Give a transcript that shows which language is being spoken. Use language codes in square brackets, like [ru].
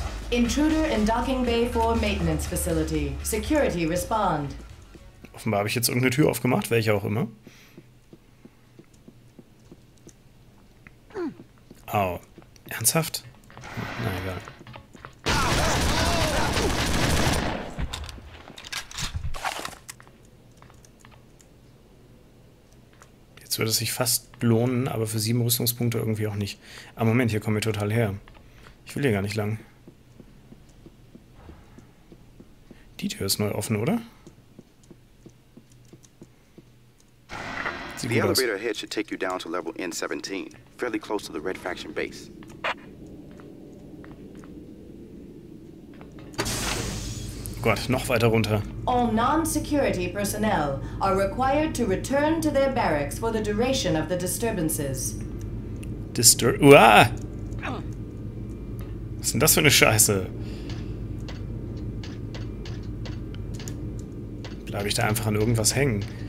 [en] Intruder in Docking Bay 4 Maintenance Facility. Security respond. [de] Offenbar habe ich jetzt irgendeine Tür aufgemacht, welche auch immer. Au. Ernsthaft? Na egal. Jetzt würde es sich fast lohnen, aber für 7 Rüstungspunkte irgendwie auch nicht. Aber Moment, hier kommen wir total her. Ich will hier gar nicht lang. Die Tür ist neu offen, oder? [en] The elevator ahead should take you down to level N17, fairly close to the Red Faction base. [de] Gott, noch weiter runter. [en] All non-security personnel are required to return to their barracks for the duration of the disturbances. Uah! [de] Was ist denn das für eine Scheiße? Bleibe ich da einfach an irgendwas hängen?